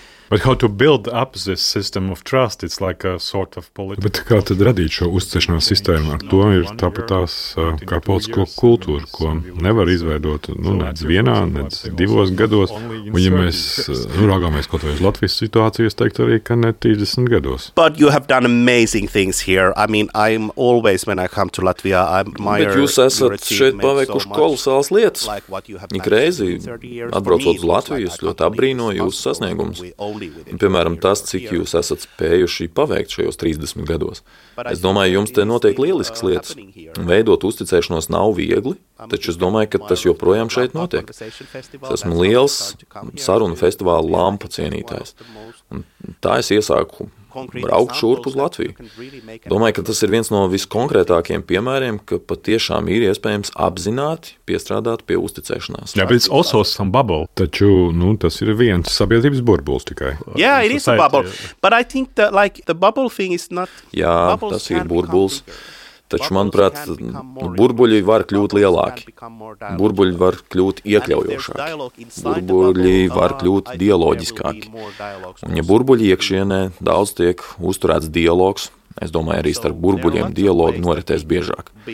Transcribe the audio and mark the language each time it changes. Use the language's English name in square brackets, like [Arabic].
[English] But how to build up this system of trust, it's like a sort of political... [Latvian] Bet kā tad radīt šo uzticēšanās sistēmu? Ar to ir tāpat tās kā politisko kultūru, ko nevar izveidot, nu, nedz vienā, nedz divos gados. Un ja mēs raugāmies kaut vai uz Latvijas situācijas, teikt arī, ka ne 30 gados. [English] But you have done amazing things here. I mean, I'm always, when I come to Latvia, I admire... [Latvian] Bet jūs esat šeit paveikuši kolosāls lietas. Ik reizi, atbraucot uz Latviju, ļoti apbrīnoju jūsu sasniegumus. Piemēram, tas, cik jūs esat spējuši paveikt šajos 30 gados. Es domāju, jums te notiek lielisks lietas. Veidot uzticēšanos nav viegli, taču es domāju, ka tas joprojām šeit notiek. Es esmu liels sarunu festivāla lampa cienītājs. Un tā es iesāku braukt šurp uz Latviju. Domāju, ka tas ir viens no viskonkrētākiem piemēriem, ka patiešām ir iespējams apzināti piestrādāt pie uzticēšanās. [English] Yeah, but it's also some bubble. [Latvian] Taču, nu, tas ir viens sabiedrības burbulis tikai. [English] Yeah, it is a bubble. But I think that, like, the bubble thing is not... [Latvian] Jā, tas ir burbulis. Taču, manuprāt, burbuļi var kļūt lielāki. Burbuļi var kļūt iekļaujošāki. Burbuļi var kļūt dialogiskāki. Un ja burbuļi iekšienē daudz tiek uzturēts dialogs, es domāju, arī starp burbuļiem dialogi noritēs biežāk.